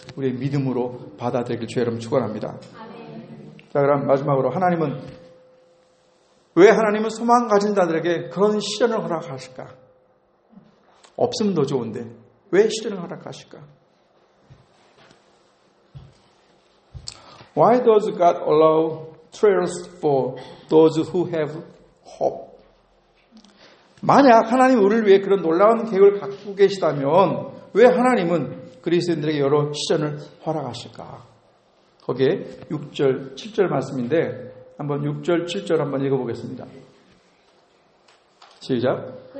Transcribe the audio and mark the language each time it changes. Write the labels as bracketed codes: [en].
[ko] 우리의 믿음으로 받아들이길 주여 여러분 축원합니다. 자, 그럼 마지막으로 하나님은 왜 하나님은 소망 가진 자들에게 그런 시련을 허락하실까? 없으면 더 좋은데 왜 시련을 허락하실까? [en] Why does God allow trials for those who have hope? [ko] 만약 하나님 우리를 위해 그런 놀라운 계획을 갖고 계시다면 왜 하나님은 그리스도인들에게 여러 시련을 허락하실까? 거기에 6절, 7절 말씀인데 한번 6절, 7절 한번 읽어보겠습니다. 시작.